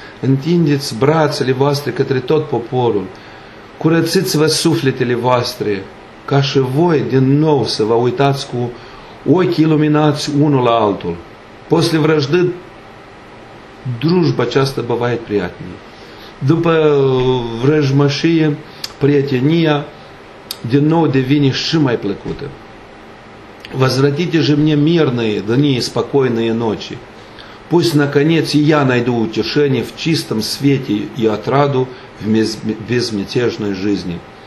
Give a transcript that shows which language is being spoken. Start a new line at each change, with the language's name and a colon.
Romanian: Întindeți brațele voastre către tot poporul. Curățiți-vă sufletele voastre ca și voi din nou să vă uitați cu ochii iluminați unul la altul.
Russian: После вражды дружба часто бывает приятнее.
Romanian: După vrăjmășie, prietenia, din nou devine și mai plăcută.
Russian: Возвратите же мне мирные дни и спокойные ночи. Пусть, наконец, и я найду утешение в чистом свете и отраду в безмятежной жизни.